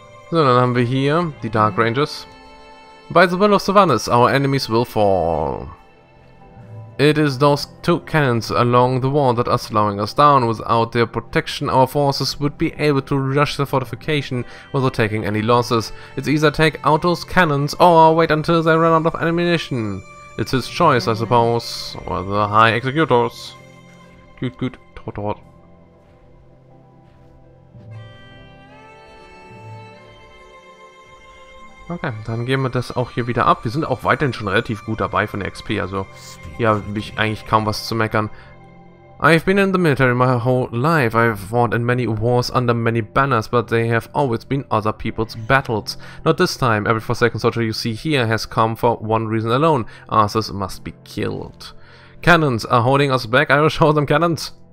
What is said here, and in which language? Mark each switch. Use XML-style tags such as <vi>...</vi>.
<de>So, dann haben wir hier die Dark Rangers.</de> <en>By the will of Sylvanas, our enemies will fall. It is those two cannons along the wall that are slowing us down. Without their protection, our forces would be able to rush the fortification without taking any losses. It's either take out those cannons or wait until they run out of ammunition. It's his choice, I suppose. Or the High Executor's.</en> <de>Gut, gut, tot, tot. Okay, dann geben wir das auch hier wieder ab. Wir sind auch weiterhin schon relativ gut dabei von der XP, also hier habe ich eigentlich kaum was zu meckern.</de> <en>I've been in the military my whole life. I've fought in many wars under many banners, but they have always been other people's battles. Not this time. Every forsaken soldier you see here has come for one reason alone. Arthas must be killed. Cannons are holding us back. I will show them cannons.</en>